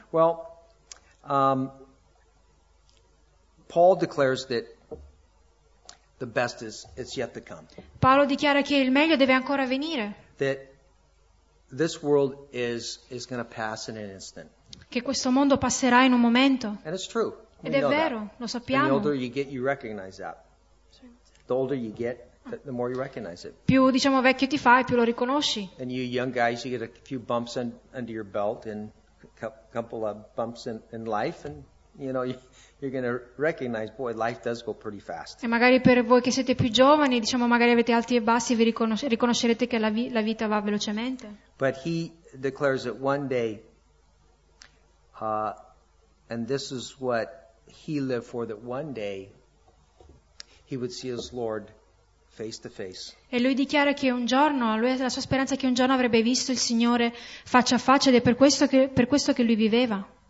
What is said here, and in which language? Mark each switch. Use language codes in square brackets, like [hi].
[en] Well, Paul declares that the best is yet to come. [it] Paolo dichiara che il meglio deve ancora venire. [en] That this world is going to pass in an instant. [it] Che questo mondo passerà in un momento. [en] And it's true. [it] Ed è vero, lo sappiamo. [en] And the older you get, you recognize that. The older you get, the more you recognize it. [it] Più diciamo vecchio ti fai, più lo riconosci. [en] And you young guys, you get a few bumps under your belt and a couple of bumps in life, and you know you're going to recognize, boy, life does go pretty fast. [it] E magari per voi che siete più giovani, diciamo magari avete alti e bassi, vi riconoscerete che la vita va velocemente. [en] But he declares that one day, and this is what he lived for, that one day he would see his Lord face to face. [it] E lui dichiara che un giorno, lui ha la sua speranza che un giorno avrebbe visto il Signore faccia a faccia, ed è per questo che lui viveva.